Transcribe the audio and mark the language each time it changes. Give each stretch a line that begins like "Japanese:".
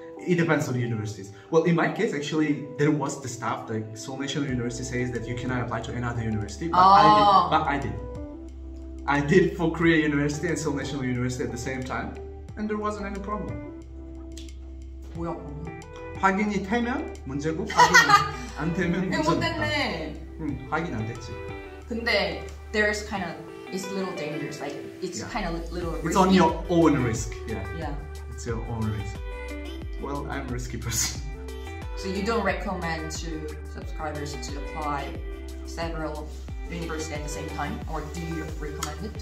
English: It depends on the universities. Well, in my case, actually, there was the staff, like Seoul National University says that you cannot apply to another university, but I did. I did for Korea University and Seoul National University at the same time, and there wasn't any problem.
Korean: 뭐야? 확인이 되면 문제고 확인 안 되면 문제. 못 됐네. 확인 안 됐지. 근데
English: there's kind of it's a little dangerous. Like it's kind of little risky. It's on your own risk. Yeah. Yeah. It's your own risk. Well, I'm a risky person. So you don't recommend to subscribers to apply several universities at the same time, or do you recommend it?